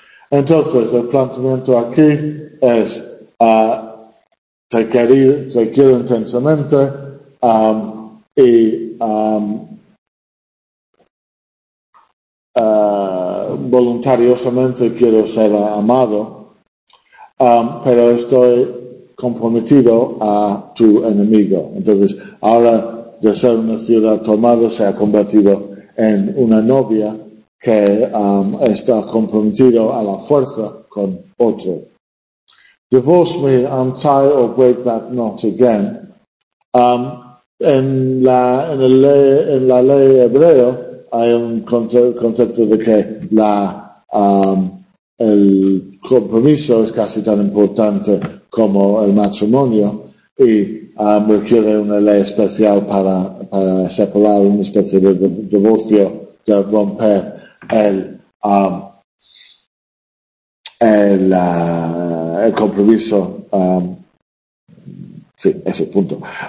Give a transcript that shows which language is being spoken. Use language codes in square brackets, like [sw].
[es] Entonces, el planteamiento aquí es: te quiero intensamente, voluntariosamente quiero ser amado, pero estoy comprometido a tu enemigo. Entonces, ahora de ser una ciudad tomada se ha convertido en una novia que está comprometido a la fuerza con otro. [en] Divorce me, untie or break that knot again. [es] En la ley hebreo hay un concepto de que el compromiso es casi tan importante como el matrimonio y requiere una ley especial para separar, una especie de divorcio, de romper el compromiso, sí, ese punto.